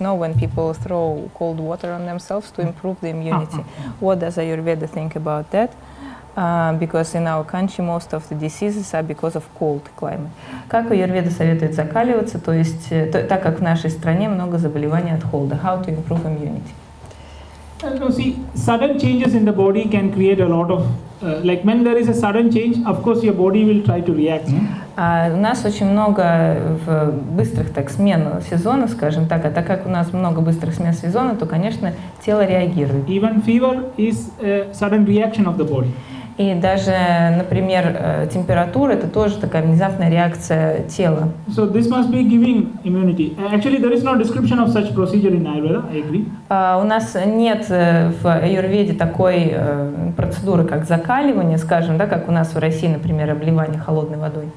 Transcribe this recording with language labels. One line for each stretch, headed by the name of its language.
English: No, when people throw cold water on themselves to improve the immunity. What does Аюрведа think about that? Because in our country most of the diseases are because of cold climate.
Russian: Как аюрведа советует закаливаться, то есть так как в нашей стране много заболеваний от холода.
English: How to improve immunity? See, sudden changes in the body can create a lot of like when there is a sudden change, of course your body will try to react.
Russian: У нас очень много в быстрых так смен сезонов, скажем так, а так как у нас много быстрых смен сезона, то конечно тело реагирует.
English: Even fever is a sudden reaction of the body.
Russian: И даже, например, температура – это тоже такая внезапная реакция тела.
English: So this must be giving immunity. Actually, there is no description of such procedure in Ayurveda. I agree.
Russian: У нас нет в Аюрведе такой процедуры, как закаливание, скажем, да, как у нас в России, например, обливание холодной водой.